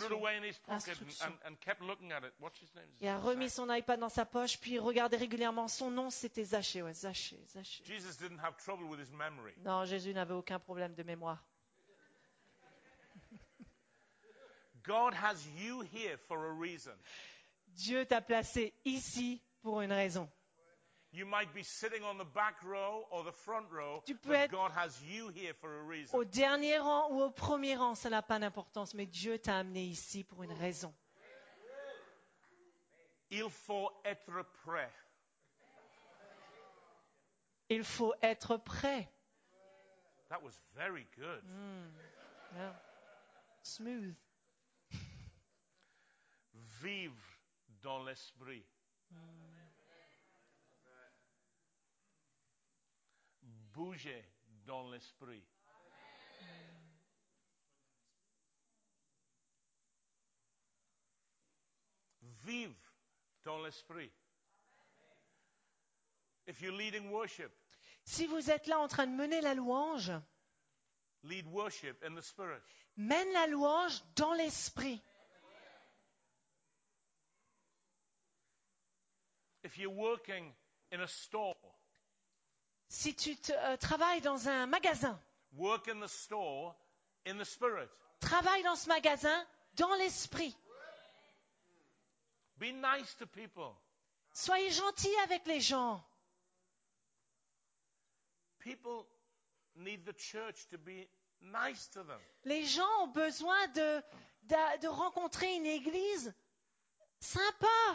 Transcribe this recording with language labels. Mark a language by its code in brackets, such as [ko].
[en] Put it away in his pocket and kept looking at it. What's his name? [fr] Il a remis son iPad dans sa poche puis il regardait régulièrement. Son nom c'était Zachée. Ouais, Zachée. [en] Jesus didn't have trouble with his memory. [fr] Non, Jésus n'avait aucun problème de mémoire. [en] God has you here for a reason. [fr] Dieu t'a placé ici pour une raison. [en] You might be sitting on the back row or the front row, but God has you here for a reason. [fr] Au dernier rang ou au premier rang, ça n'a pas d'importance, mais Dieu t'a amené ici pour une raison. Il faut être prêt. Il faut être prêt. [en] That was very good. Smooth. [fr] Vive dans l'esprit. Bougez dans l'esprit. Vive dans l'esprit. [en] If you're leading worship, [fr] si vous êtes là en train de mener la louange, [en] lead worship in the spirit. [fr] Mène la louange dans l'esprit. [en] If you're working in a store, [fr] si tu travailles dans un magasin, [en] work in the store in the spirit. [fr] Travaille dans ce magasin dans l'esprit. [en] Be nice to people. [fr] Soyez gentil avec les gens. [en] People need the church to be nice to them. [fr] Les gens ont besoin de rencontrer une église sympa.